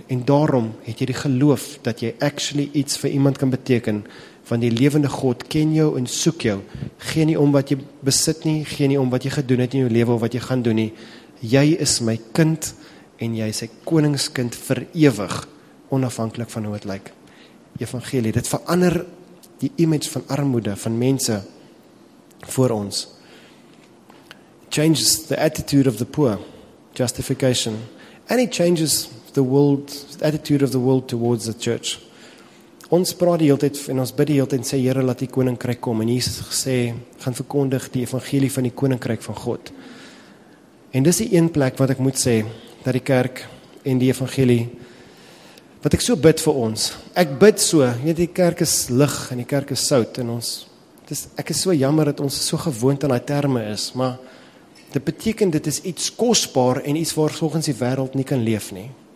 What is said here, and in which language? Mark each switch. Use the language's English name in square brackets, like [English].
[Afrikaans] En daarom het jy die geloof dat jy actually iets vir iemand kan beteken, want die lewende God ken jou en soek jou. Gee nie om wat jy besit nie, gee nie om wat jy gedoen het in jou lewe of wat jy gaan doen nie. Jy is my kind en jy is sy koningskind vir ewig, onafhanklik van hoe het lyk. Evangelie, dit verander die image van armoede van mense voor ons. [English] Changes the attitude of the poor, justification, and it changes the world, the attitude of the world towards the church. [Afrikaans] Ons praat die hele tyd en ons bid die hele tyd en sê, Here, laat die koninkryk kom. En Jesus gesê, gaan verkondig die evangelie van die koninkryk van God. En dis die een plek wat ek moet sê, dat die kerk en die evangelie, wat ek so bid vir ons, ek bid so, die kerk is lig en die kerk is sout, en ons, dis, ek is so jammer dat ons so gewoond aan die terme is, maar dit beteken dit is iets kostbaar en iets waar volgens die wêreld nie kan leef nie.